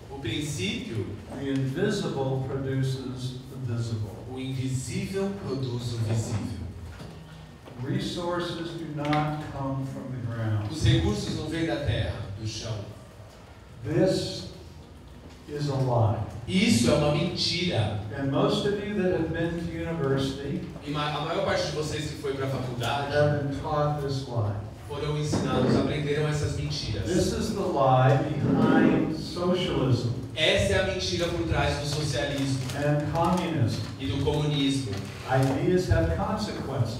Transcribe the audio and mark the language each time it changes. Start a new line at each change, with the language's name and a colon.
Portuguese: o princípio,
English: the invisible produces the visible.
Portuguese: O invisível produz o visível.
English: Resources do not come from the ground.
Portuguese: Os recursos não vêm da terra, do chão.
English: This is a lie.
Portuguese: Isso é uma mentira.
English: And most of you that have been to university,
Portuguese: e a maior parte de vocês que foi para a faculdade,
English: have been taught this lie.
Portuguese: Foram ensinados, aprenderam essas mentiras.
English: This is the lie behind socialism.
Portuguese: Essa é a mentira por trás do socialismo.
English: And communism.
Portuguese: E do comunismo.
English: Ideas have consequences.